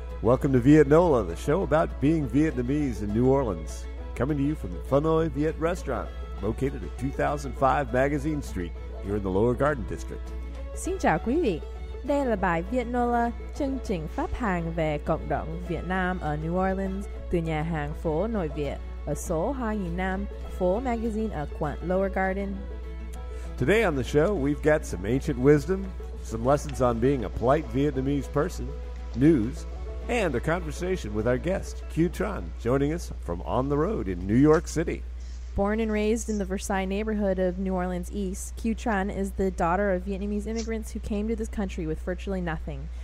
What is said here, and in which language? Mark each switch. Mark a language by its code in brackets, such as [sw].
[en] Welcome to VietNOLA, the show about being Vietnamese in New Orleans. Coming to you from the Phu Noi Viet Restaurant, located at 2005 Magazine Street, here in the Lower Garden District. [vi] Xin chào quý vị. Đây là bài VietNOLA, chương trình phát hàng về cộng đồng Việt Nam ở New Orleans, từ nhà hàng Phố Nội Viet, ở số 29, Phố Magazine ở quận Lower Garden. [en] Today on the show, we've got some ancient wisdom, some lessons on being a polite Vietnamese person, news, and a conversation with our guest, Kieu Tran, joining us from on the road in New York City. Born and raised in the Versailles neighborhood of New Orleans East, Kieu Tran is the daughter of Vietnamese immigrants who came to this country with virtually nothing.